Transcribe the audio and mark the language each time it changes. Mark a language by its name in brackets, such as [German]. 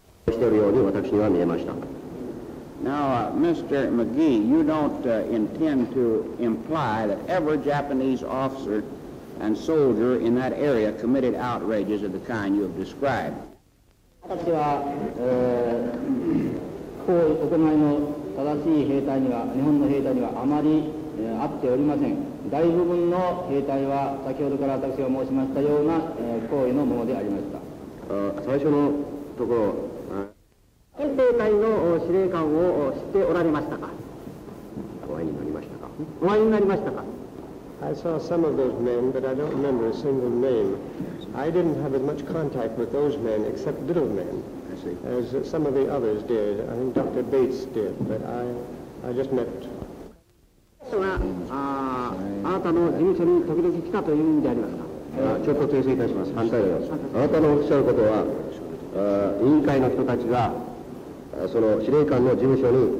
[Japanese] しているように私には見えました。 [English] Now, Mr. McGee, you don't intend to imply that every Japanese officer and soldier in that area committed outrages of the kind you have described. [Japanese] 私は、こういう行いの正しい兵隊には、日本の兵隊にはあまり、会っておりません。大部分の兵隊は、先ほどから私が申しましたような、行為のものでありました。最初のところ、兵隊の司令官を知っておられましたか？お会いになりましたか？お会いになりましたか？ [English] I saw some of those men, but I don't remember a single name. I didn't have as much contact with those men, except little men, as some of the others did. I think Dr. Bates did, but I just met. [Japanese] あなたの事務所に時々来たという意味でありますか？ちょっと訂正いたします。反対です。あなたのおっしゃることは、委員会の人たちが、その司令官の事務所に、